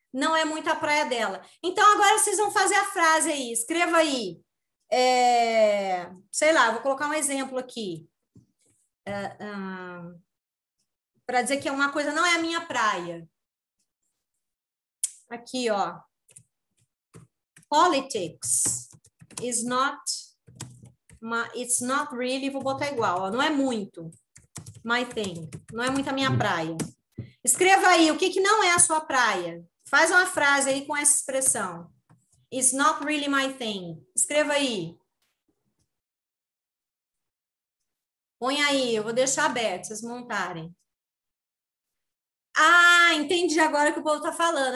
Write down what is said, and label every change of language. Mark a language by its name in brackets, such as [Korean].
[Portuguese] Não é muito a praia dela. Então agora vocês vão fazer a frase aí, escreva aí. É, sei lá, vou colocar um exemplo aqui. Para dizer que é uma coisa, não é a minha praia. Aqui, ó. [English] Politics is not my, it's not really, [Portuguese] vou botar igual, ó. Não é muito [English] my thing. [Portuguese] Não é muito a minha praia. Escreva aí, o que que não é a sua praia? Faz uma frase aí com essa expressão. [English] It's not really my thing. Escreva aí. [Portuguese] Põe aí, eu vou deixar aberto, vocês montarem. Ah, entendi agora o que o povo tá falando.